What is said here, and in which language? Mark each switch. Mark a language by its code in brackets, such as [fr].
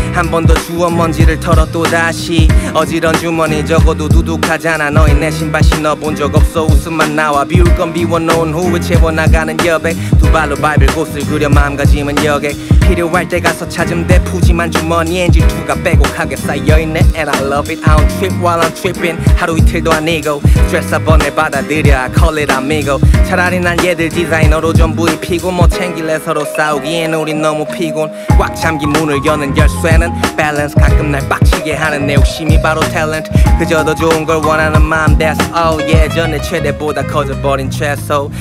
[ko] 한 번 더 주워 먼지를 털어 또 다시. 어지런 주머니 적어도 두둑하잖아. 너희 내 신발 신어본 적 없어 웃음만 나와. 비울 건 비워놓은 후에 채워나가는 여백. 두 발로 밟을 곳을 그려 마음가짐은 여객. 필요할 때 가서 찾음 대 푸짐한 주머니에 질투가 빼곡하게 쌓여있네. [en] And I love it. I don't trip while I'm tripping. [ko] 하루 이틀도 아니고 stress 한 번에 받아들여. [en] I call it amigo. [ko] 차라리 난 얘들 디자이너로 전부 입히고 뭐 챙길래 서로 싸우기엔 우린 너무 피곤. 꽉 잠긴 문을 여는 열쇠는 balance. 가끔 날 빡치게 하는 내 욕심이 바로 talent. 그저 더 좋은 걸 원하는 마음 [en] that's all. [ko] 예전에 최대보다 커져버린 최소.